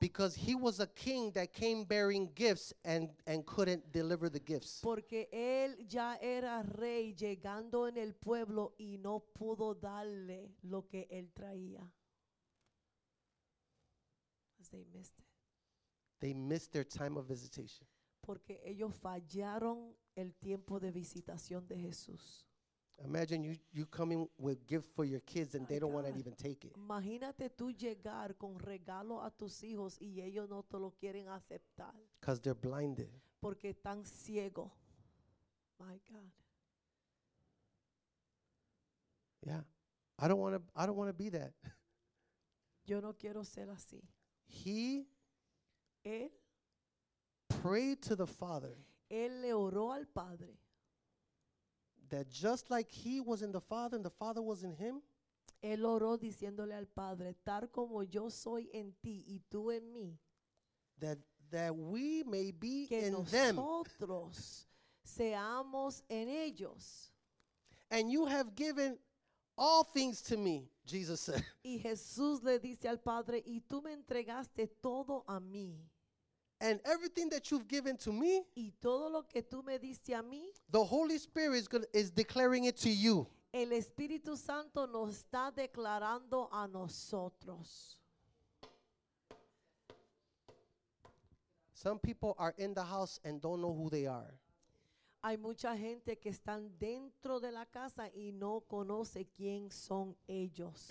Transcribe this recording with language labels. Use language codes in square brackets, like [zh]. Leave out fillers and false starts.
[en] Because he was a king that came bearing gifts and couldn't deliver the gifts. [es] Porque él ya era rey llegando en el pueblo y no pudo darle lo que él traía. [en] They missed it. They missed their time of visitation. [es] Porque ellos fallaron el tiempo de visitación de Jesús. [en] Imagine you coming with gift for your kids and they don't want to even take it. [es] Imagínate tú llegar con regalo a tus hijos y ellos no te lo quieren aceptar. [en] Because they're blinded. [es] Porque están ciego. [en] My God. Yeah, I don't want to be that. [es] Yo no quiero ser así. [en] He. [es] Él. [en] Prayed to the Father. [es] Él le oró al Padre. [en] That just like he was in the Father and the Father was in him. [es] Él oró diciéndole al Padre, tal como yo soy en ti y tú en mí. [en] That we may be [es] que [en] in [es] nosotros [en] them. [es] Seamos en ellos. [en] And you have given all things to me, Jesus said. [es] Y Jesús le dice al Padre, y tú me entregaste todo a mí. [en] And everything that you've given to me, [es] y todo lo que tú me diste a mí, [en] the Holy Spirit is declaring it to you. [es] El Espíritu Santo nos está declarando a nosotros. [en] Some people are in the house and don't know who they are. [es] Hay mucha gente que están dentro de la casa y no conoce quién son ellos.